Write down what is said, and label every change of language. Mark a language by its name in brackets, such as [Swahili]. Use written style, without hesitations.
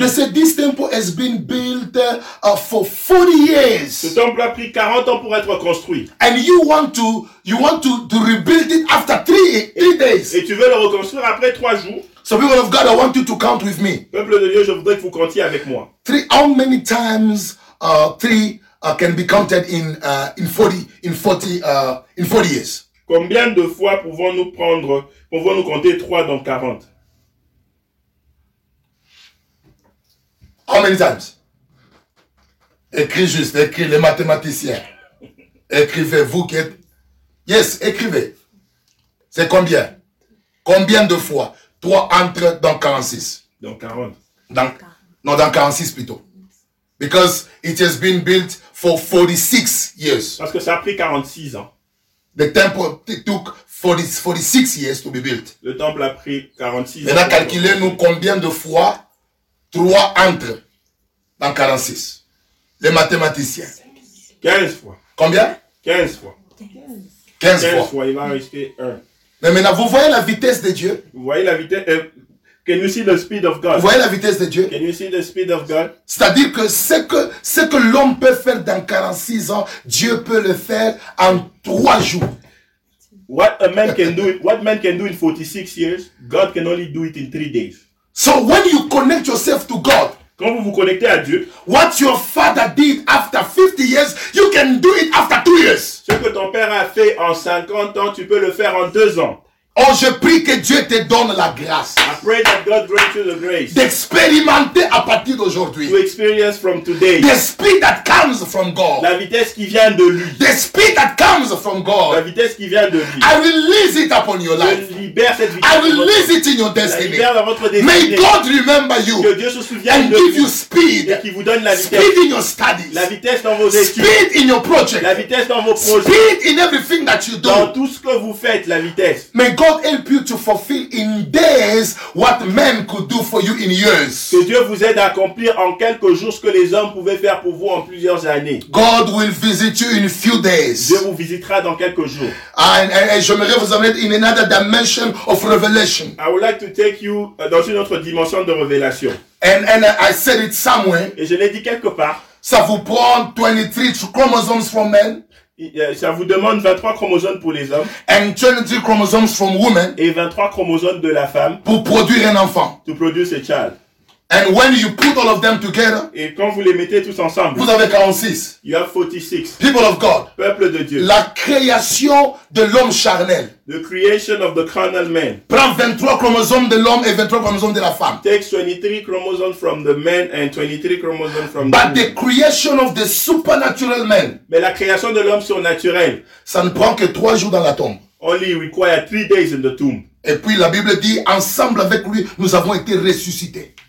[English] They said this temple has been built for 40 years. [French] Ce temple a pris 40 ans pour être construit. [English] And you want to rebuild it after 3 days. [French] Et tu veux le reconstruire après 3 jours. [English] So people of God, I want you to count with me. [French] Peuple de Dieu, je voudrais que vous comptiez avec moi. [English] How many times three can be counted in 40 years? [French] Combien de fois pouvons-nous compter 3 dans 40? [English] How many times? [French] Écris juste, écris les mathématiciens. Écrivez, vous qui êtes... Yes, écrivez. C'est combien? Combien de fois 3 entre dans 46? Dans 40. Dans 46 plutôt. [English] Because it has been built for 46 years. [French] Parce que ça a pris 46 ans. [English] The temple took 46 years to be built. [French] Le temple a pris 46 ans. Maintenant, calculez-nous combien de fois 3 entre dans 46. Les mathématiciens. 15 fois. Combien? 15 fois. 15 fois. Il va rester 1. Mais maintenant, vous voyez la vitesse de Dieu? Vous voyez la vitesse? [English] Can you see the speed of God? [French] Vous voyez la vitesse de Dieu? [English] Can you see the speed of God? [French] C'est-à-dire que ce que l'homme peut faire dans 46 ans, Dieu peut le faire en 3 jours. [English] What man can do in 46 years, God can only do it in 3 days. So when you connect yourself to God, [French] quand vous vous connectez à Dieu, [English] what your father did after 50 years, you can do it after 2 years. [French] Ce que ton père a fait en 50 ans, tu peux le faire en 2 ans. Oh, je prie que Dieu te donne la grâce. [English] I pray that God grant you the grace. [French] D'expérimenter à partir d'aujourd'hui. [English] To experience from today. The speed that comes from God. [French] La vitesse qui vient de lui. [English] The speed that comes from God. [French] La vitesse qui vient de lui. [English] I release it upon your life. [French] Je libère cette vitesse. [English] I release it in your destiny. [French] La libère dans votre destinée. [English] May God remember you. [French] Que Dieu se souvienne de vous. [English] And give you speed. [French] Et qu'il vous donne la vitesse. [English] Speed in your studies. [French] La vitesse dans vos études. [English] Speed in your project. [French] La vitesse dans vos projets. [English] Speed in everything that you do. [French] Dans tout ce que vous faites, la vitesse. [English] May God God help you to fulfill in days what men could do for you in years. [French] Que Dieu vous aide à accomplir en quelques jours ce que les hommes pouvaient faire pour vous en plusieurs années. [English] God will visit you in few days. [French] Dieu vous visitera dans quelques jours. [English] And [French] j'aimerais vous amener [English] in another dimension of revelation. I would like to take you [French] dans une autre dimension de révélation. [English] And I said it somewhere. [French] Et je l'ai dit quelque part. Ça vous prend 23 chromosomes [English] from men. [French] Ça vous demande 23 chromosomes pour les hommes. [English] And 23 chromosomes from women. [French] Et 23 chromosomes de la femme. Pour produire un enfant. [English] To produce a child. And when you put all of them together. [French] Et quand vous les mettez tous ensemble. Vous avez 46. [English] You have 46. People of God. [French] Peuple de Dieu. La création de l'homme charnel. [English] The creation of the carnal man. [French] Prend 23 chromosomes de l'homme et 23 chromosomes de la femme. [English] Takes 23 chromosomes from the man and 23 chromosomes from the woman. But the creation of the supernatural man. [French] Mais la création de l'homme surnaturel. Ça ne prend que 3 jours dans la tombe. [English] Only require 3 days in the tomb. [French] Et puis la Bible dit, ensemble avec lui, nous avons été ressuscités.